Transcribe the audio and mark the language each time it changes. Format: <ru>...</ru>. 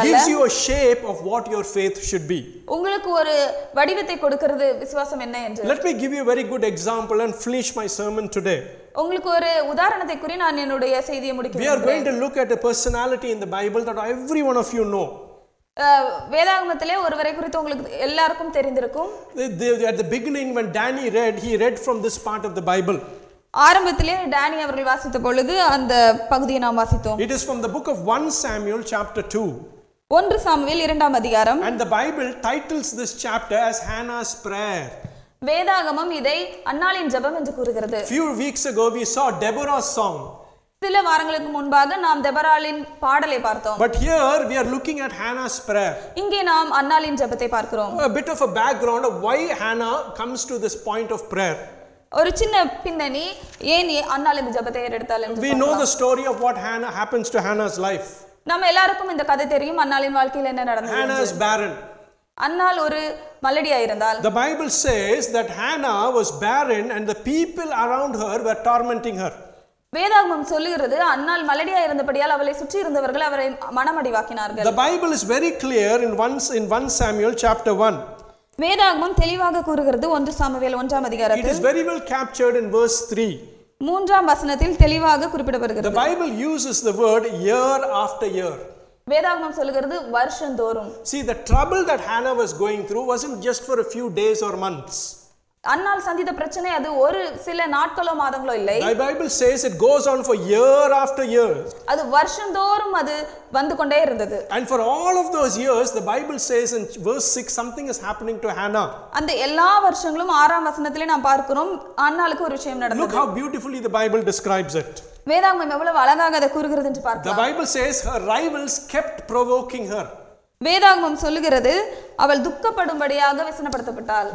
<ta>அல்ல</ta> <en>it gives you a shape of what your faith should be</en> <ta>உங்களுக்கு ஒரு வடிவத்தை கொடுக்கிறது விசுவாசம் என்ன என்று</ta> <en>let me give you a very good example and finish my sermon today</en> <ta>உங்களுக்கு ஒரு உதாரணத்தை கூறி நான் என்னுடைய செய்தியை முடிக்கிறேன்</ta> <en>we are going to look at a personality in the bible that every one of you know</en> <ta>வேதாகமத்திலே ஒருவரை குறித்து உங்களுக்கு எல்லாருக்கும் தெரிந்திருக்கும்</ta> <en>at the beginning when danny read he read from this part of the bible</en> <ta>ஆரம்பத்திலே Danny அவர்கள் வாசித்த பொழுது அந்த பகுதியை நாம் வாசித்தோம்</ta> <en>it is from the book of 1 samuel chapter 2</en> <ta>1 Samuel 2 அதிகாரம்</ta> <en>and the bible titles this chapter as hannah's prayer</en> <ta>வேதாகமம் இதை அன்னாளின் ஜெபம் என்று கூறுகிறது</ta> <en>few weeks ago we saw deborah's song</en> <ta>சில வாரங்களுக்கு முன்பாக நாம் தெபராளின் பாடலை பார்த்தோம்</ta> <en>but here we are looking at hannah's prayer</en> <ta>இங்கே நாம் அன்னாளின் ஜெபத்தை பார்க்கிறோம்</ta> <en>a bit of a background of why hannah comes to this point of prayer</en> <ta>ஒரு சின்ன பின்னணி ஏன் அன்னாளின் ஜெபத்தை ஏறெடுத்தாள் என்று</ta> <en>we know the story of what hannah happens to hannah's life</en> <ta>நாம் எல்லாருக்கும் இந்த கதை தெரியும் அன்னாளின் வாழ்க்கையில் என்ன நடந்தது</ta> <en>hannah is barren</en> <ta>அன்னால் ஒரு மலடியா இருந்தால்</ta> <en>the bible says that hannah was barren and the people around her were tormenting her</en> <ta>வேதாகமம் சொல்கிறது அன்னால் மலடியா இருந்தபடியால் அவளை சுற்றி இருந்தவர்கள் அவரை மனமடிவாக்கினார்கள்</ta> <en>the bible is very clear in 1 samuel chapter 1</en> <ta>வேதாகமம் தெளிவாக கூறுகிறது 1 சாமுவேல் 1 அதிகாரத்தில்</ta> <en>it is very well captured in verse 3</en> <ta>மூன்றாம் வசனத்தில் தெளிவாக குறிப்பிடப்படுகிறது</ta> <en>the bible uses the word year after year</en> <ta>வேதாகமம் சொல்கிறது வருஷம் தோறும்</ta> <en>see the trouble that hannah was going through wasn't just for a few days or months</en> <ta>அன்னால் சந்தித பிரச்சனை அது ஒரு சில நாட்களோ மாதங்களோ இல்லை</ta> <en>the bible says it goes on for year after year</en> <ta>அது வருஷம் தோறும் அது வந்து கொண்டே இருந்தது</ta> <en>and for all of those years the bible says in verse 6 something is happening to hannah</en> <ta>அந்த எல்லா வருஷங்களும் ஆறாம் வசனத்திலே நாம் பார்க்கிறோம் அன்னாலுக்கு ஒரு விஷயம் நடந்தது</ta> <en>look how beautifully the bible describes it</en> <ta>வேதாகமம் எவ்வளவு அழகாக அதை கூறுகிறது என்று பார்க்கலாம்</ta> <en>the bible says her rivals kept provoking her</en> <ta>வேதாகமம் சொல்கிறது அவள் துக்கப்படும்படியாக வசனப்படுத்தப்பட்டாள்</ta>